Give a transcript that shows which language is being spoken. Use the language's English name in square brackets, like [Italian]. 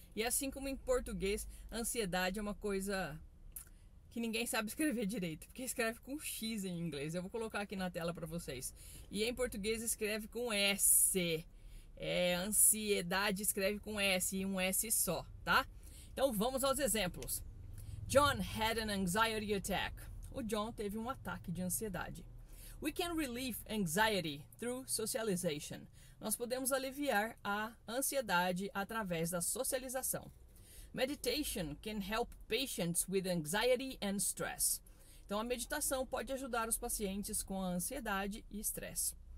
[Portuguese] E assim como em português, ansiedade é uma coisa que ninguém sabe escrever direito, porque escreve com X em inglês. Eu vou colocar aqui na tela para vocês. E em português escreve com S. É, ansiedade escreve com S e um S só, tá? Então vamos aos exemplos. [English] John had an anxiety attack. [Portuguese] O John teve um ataque de ansiedade. [English] We can relieve anxiety through socialization. [Portuguese] Nós podemos aliviar a ansiedade através da socialização. [English] Meditation can help patients with anxiety and stress. [Portuguese] Então a meditação pode ajudar os pacientes com a ansiedade e stress.